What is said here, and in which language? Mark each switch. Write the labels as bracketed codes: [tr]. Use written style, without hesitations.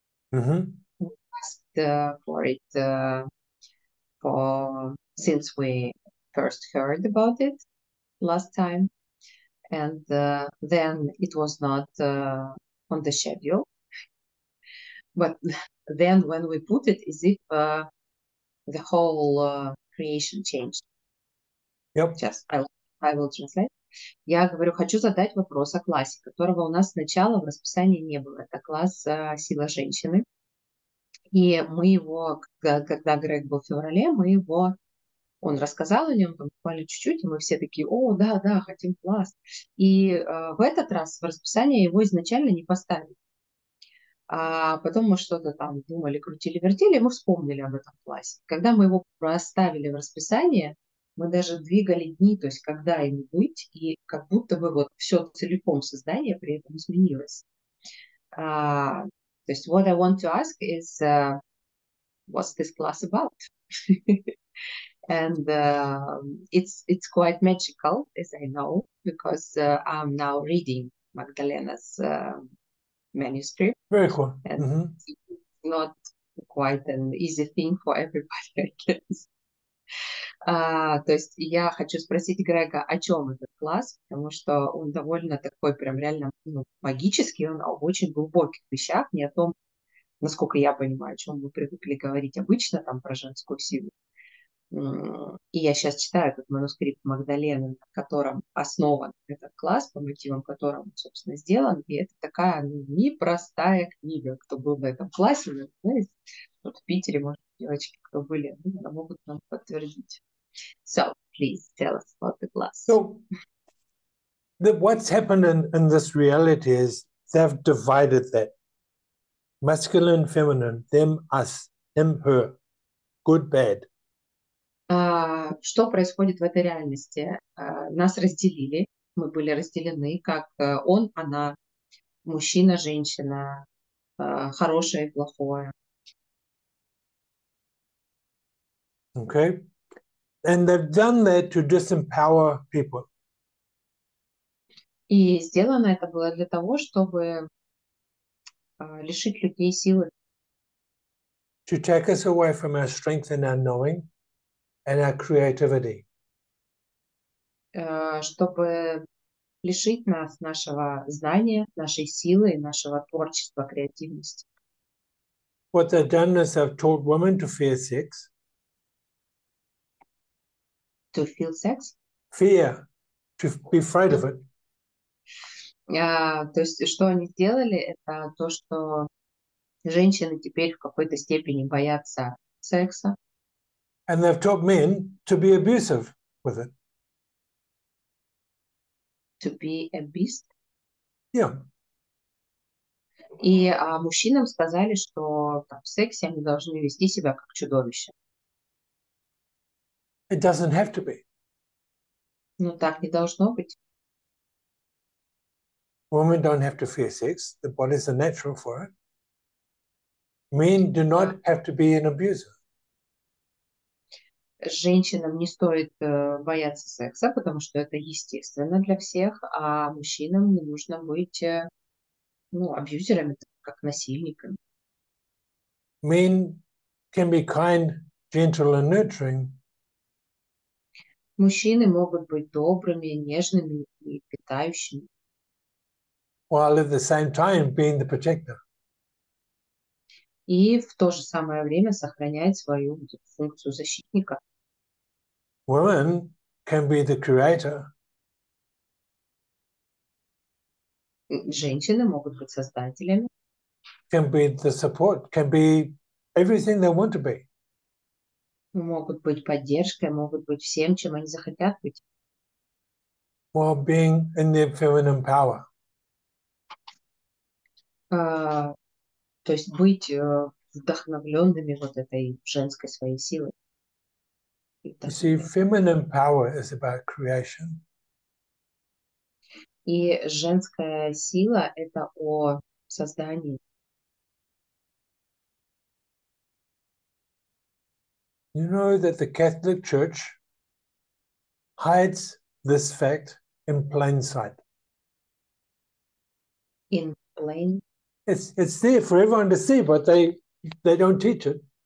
[en] We asked for it since we first heard about it last time, and then it was not on the schedule. But then when we put it, as if the whole creation changed. Yep. Just, I will translate. [ru] Я говорю, хочу задать вопрос о классе, которого у нас сначала в расписании не было. Это класс «Сила женщины». И мы его, когда Грег был в феврале, он рассказал о нем буквально чуть-чуть, и мы все такие, о, да-да, хотим класс. И в этот раз в расписание его изначально не поставили. А потом мы что-то там думали, крутили, вертели, и мы вспомнили об этом классе. Когда мы его проставили в расписание, мы даже двигали дни, то есть когда им быть, и как будто бы вот все целиком создание при этом изменилось. То есть [en] what I want to ask is, what's this class about? And it's quite magical, as I know, because I'm now reading Magdalena's manuscript. Very cool. And it's not quite an easy thing for everybody, I guess. [ru] То есть я хочу спросить Грега, о чем этот класс, потому что он довольно такой прям реально ну, магический, он о очень глубоких вещах, не о том, насколько я понимаю, о чем мы привыкли говорить обычно там про женскую силу. И я сейчас читаю этот манускрипт Магдалены, на котором основан этот класс, по мотивам которого он, собственно, сделан. И это такая непростая книга. Кто был на этом классе, ну, знаете, вот в Питере, может, девочки, кто были, они могут нам подтвердить. [en] So, please tell us about the class. So, what's happened in this reality is they've divided that masculine, feminine, them, us, him, her, good, bad. [ru] Что происходит в этой реальности? Нас разделили, мы были разделены, как он, она, мужчина, женщина, хорошее и плохое. [en] Okay. And they've done that to disempower people. [ru] И сделано это было для того, чтобы лишить людей силы. [en] To take us away from our strength and our knowing. And our creativity. [ru] Чтобы лишить нас нашего знания, нашей силы, нашего творчества, креативности. [en] What they've done is they've taught women to fear sex. To feel sex? Fear, to be afraid of it. [ru] То есть, что они сделали, это то, что женщины теперь в какой-то степени боятся секса. [en] And they've taught men to be abusive with it. To be a beast? Yeah. [ru] И мужчинам сказали, что там, в сексе они должны вести себя как чудовище. [en] It doesn't have to be. [ru] Ну, так не должно быть. [en] Women don't have to fear sex. The bodies are natural for it. Men do not have to be an abuser. [ru] Женщинам не стоит бояться секса, потому что это естественно для всех, а мужчинам не нужно быть ну, абьюзерами, как насильниками. [en] Men can be kind, gentle and nurturing. [ru] Мужчины могут быть добрыми, нежными и питающими. [en] While at the same time being the protector. [ru] И в то же самое время сохранять свою функцию защитника. [en] Women can be the creator. [ru] Женщины могут быть создателями. [en] Can be the support, can be everything they want to be. [ru] Могут быть поддержкой, могут быть всем, чем они захотят быть. [en] While being in their feminine power. [ru] То есть быть вдохновленными вот этой женской своей силой. [en] You see, feminine power is about creation. [ru] И женская сила – это о создании. [en] You know that the Catholic Church hides this fact in plain sight. In plain? It's there for everyone to see, but they don't teach it.